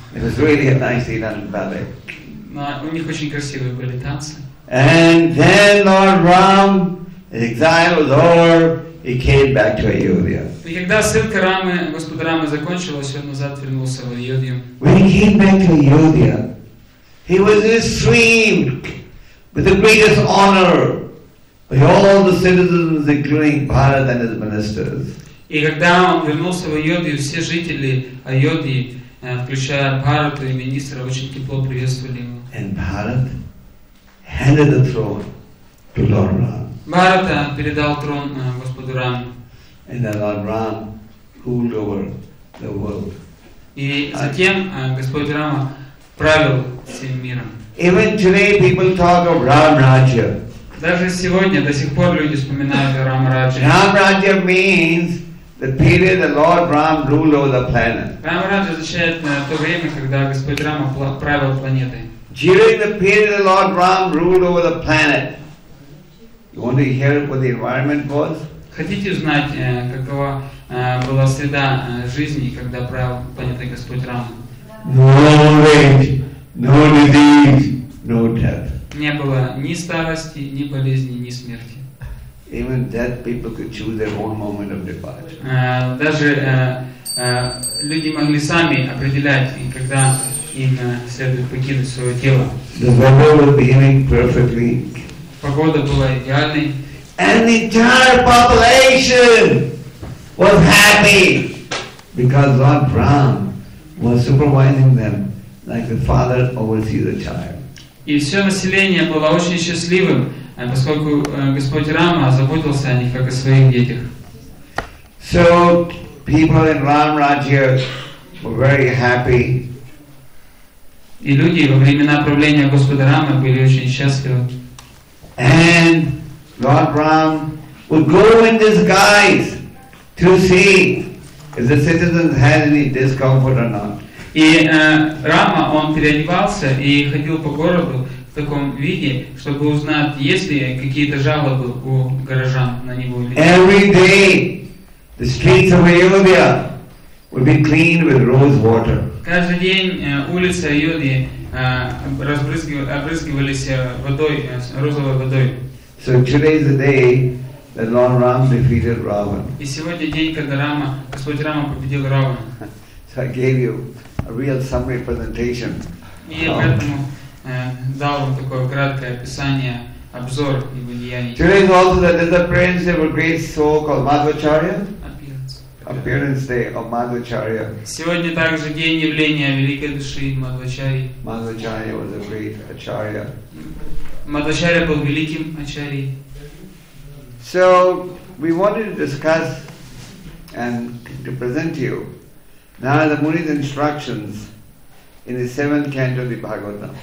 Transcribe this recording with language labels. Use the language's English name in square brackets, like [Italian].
[English] It was really a nicely done ballet. [Russian] Но у них очень красивые были танцы. [English] And then Lord Ram, his exile was over, he came back to Ayodhya. [Russian] И когда ссылка Рамы, Господа Рамы закончилась, он назад вернулся в Айодхию. [English] When he came back to Ayodhya, he was received with the greatest honor by all the citizens, including Bharat and his ministers. [Russian] И когда он вернулся в Айодхию, все жители Айодхии, включая Бхарата и министра, очень тепло приветствовали его. [English] And Bharat handed the throne to Lord Ram. [Russian] Bharata передал трон Господу Раме. [English] And then Lord Ram ruled over the world. [Russian] И затем Господь Рама правил всем миром. [English] Even today people talk of Ram Rajya. [Russian] Даже сегодня до сих пор люди вспоминают о Рам Раджа. [English] Ram Rajya means the period that Lord Ram ruled over the planet. [Russian] Рам Раджа означает то время, когда Господь Рама правил планетой. [English] During the period that Lord Ram ruled over the planet, you want to hear what the environment was? [Russian] Хотите узнать, какова была среда жизни, когда правил планетой Господь Рама? [English] No age, no disease, no death. [Russian] Не было ни старости, ни болезни, ни смерти. [English] Even dead people could choose their own moment of departure. [Russian] Даже люди могли сами определять, когда им следует покинуть свое тело. [English] The weather was behaving perfectly. [Russian] Погода была идеальной. [English] And the entire population was happy because Lord Ram was supervising them like a father oversees a child. [Russian] И все население было очень счастливым, поскольку Господь Рама заботился о них, как о своих детях. [English] So people in Ram Rajya were very happy. [Russian] И люди во времена правления Господа Рамы были очень счастливы. [English] And Lord Ram would go in disguise to see if the citizens had any discomfort or not. [Russian] И Рама, он переодевался и ходил по городу, таком виде, чтобы узнать, есть ли какие-то жалобы у горожан на него. [English] Every day the streets of Ayodhya would be cleaned with rose water. [Russian] Каждый день улицы Айодхи обрызгивались водой, розовой водой. [English] So today is the day that Lord Ram defeated Ravan. [Russian] И сегодня день, когда Рама, Господь Рама победил Равана. [English] So I gave you a real summary presentation. [Russian] И я поэтому дал вам такое краткое описание, обзор его деяний. [English] Today is also that there's a prince of a great soul called Madhvacharya. Appearance day of Madhvacharya. [Russian] Сегодня также день явления великой души Мадхвачарьи. [English] Madhvacharya was a great acharya. [Russian] Мадхвачарья был великим ачарьей. [English] So we wanted to discuss and to present to you Narada Muni's instructions in the seventh canto of the Bhagavatam.